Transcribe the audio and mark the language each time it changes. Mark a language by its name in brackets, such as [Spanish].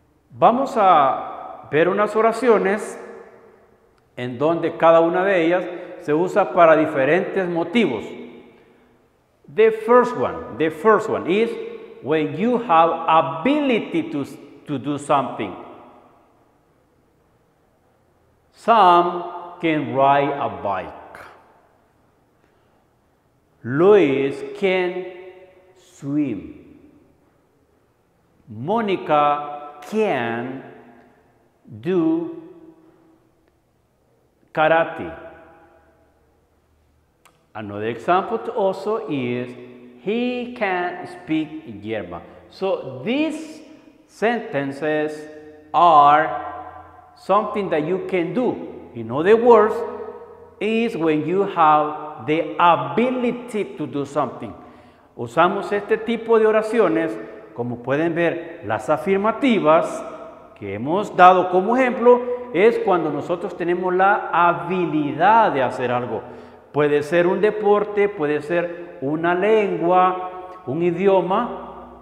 [Spanish] Vamos a ver unas oraciones en donde cada una de ellas se usa para diferentes motivos. [English] The first one is when you have ability to do something. Sam can ride a bike. Luis can swim. Monica can do karate. Another example also is he can speak German. So this sentences are something that you can do. In other words, is when you have the ability to do something. [Spanish] Usamos este tipo de oraciones, como pueden ver, las afirmativas que hemos dado como ejemplo, es cuando nosotros tenemos la habilidad de hacer algo. Puede ser un deporte, puede ser una lengua, un idioma.